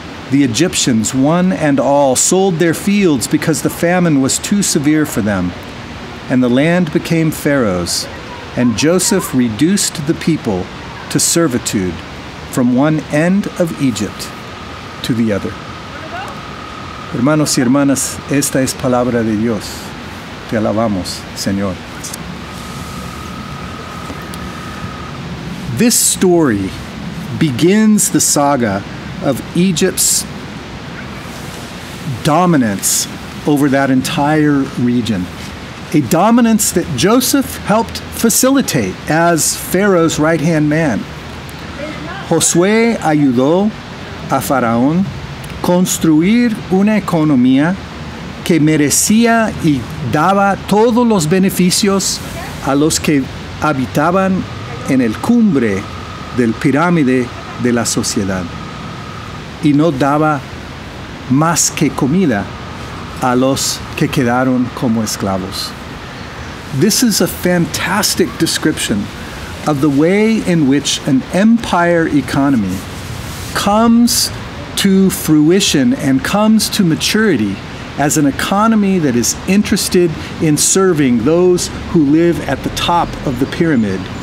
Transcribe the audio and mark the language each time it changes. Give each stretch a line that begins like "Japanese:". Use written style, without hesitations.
English: The Egyptians, one and all, sold their fields because the famine was too severe for them. And the land became Pharaoh's, and Joseph reduced the people to servitude from one end of Egypt to the other.
Spanish: Hermanos y hermanas, esta es palabra de Dios. Te alabamos, Señor.
English: This story begins the saga of Egypt's dominance over that entire region, a dominance that Joseph helped facilitate as Pharaoh's right-hand man.
Spanish: Josué ayudó a Faraón construir una economía que merecía y daba todos los beneficios a los que habitaban en el cumbre del pirámide de la sociedad. Y no daba más que comida a los que quedaron como esclavos.
English: This is a fantastic description of the way in which an empire economy comes to fruition and comes to maturity as an economy that is interested in serving those who live at the top of the pyramid.